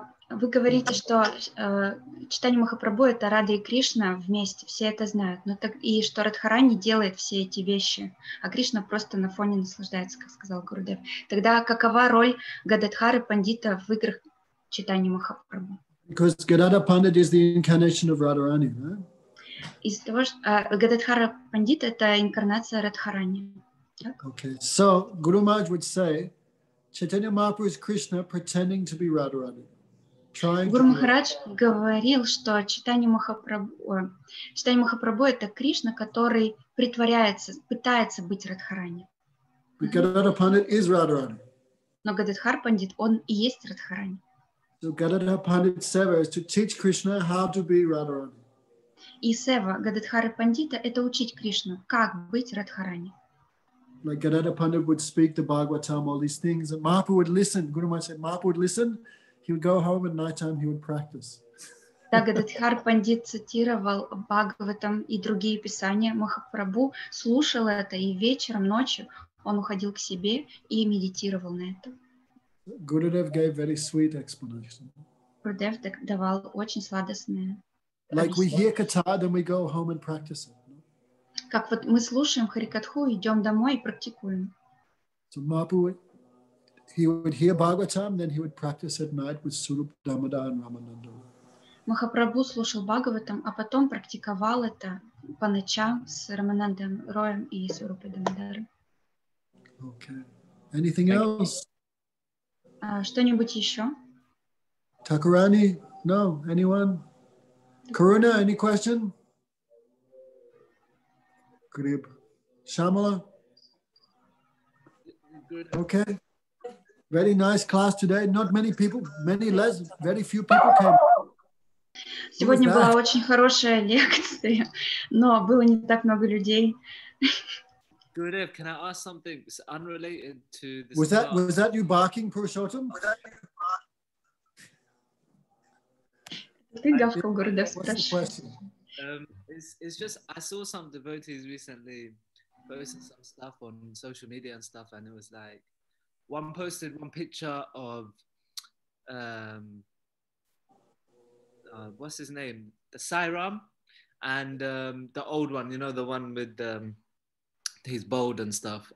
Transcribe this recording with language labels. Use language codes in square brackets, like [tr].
[ru] Вы говорите, что читание Махапрабху — это Рада и Кришна вместе, все это знают, но так, и что Радхарани делает все эти вещи, а Кришна просто на фоне наслаждается, как сказал Гурудев. Тогда какова роль Гададхары Пандита в играх читания Махапрабху? [en] Because Gadadhara Pandit is the incarnation of Radharani, right? [ru] Из-за того, что Гададхара Пандит — это инкарнация Радхарани. [en] Okay, so Guru Maharaj would say, Chaitanya Mahaprabhu is Krishna pretending to be Radharani. [ru] Гуру Махарадж говорил, что читание Махапрабху — это Кришна, который притворяется, пытается быть Радхарани. [en] Gadadhara Pandit is Radharani. [ru] Но Гададхар Пандит, он и есть Радхарани. [en] So Gadadhara Pandit Seva is to teach Krishna how to be Radharani. [ru] И Сева, Гададхара Пандита — это учить Кришну, как быть Радхарани. [en] Like Gadadhara Pandit would speak the Bhagavatam, all these things, and Mahaprabhu would listen. Guru Maharaj said, Mahaprabhu would listen. He would go home at night time, he would practice. [ru] Да, Гададхар Пандит цитировал Бхагаватам и другие писания. Махапрабху слушал это, и вечером, ночью он уходил к себе и медитировал на это. [en] Gurudev gave very sweet explanation. [ru] Гурудев давал очень сладостное. [en] Like we hear katha, then we go home and practice it. [ru] Как вот мы слушаем Харикатху, идем домой и практикуем. [en] So Mahaprabhu, he would hear Bhagavatam, then he would practice at night with Surup Damodar and Ramananda. [ru] Махапрабху слушал Бхагаватам, а потом практиковал это по ночам с Раманандой Роем и Сурупой Дамодаром. [en] Okay. Anything else? [ru] Что-нибудь еще? [en] Thakurani? No. Anyone? Karuna, any question? Grib. Shamala? Okay. Very nice class today. Not many people, very few people came. [ru] Сегодня была очень хорошая лекция, но было не так много людей. [en] Gurudev, can I ask something unrelated to this? Was that you barking, Purushottam? [ru] Ты гавкал, Gurudev, спрашивай. [en] It's just I saw some devotees recently posting some stuff on social media and stuff, and it was like, one posted one picture of what's his name, the Sai Ram, and the old one, you know, the one with he's bold and stuff.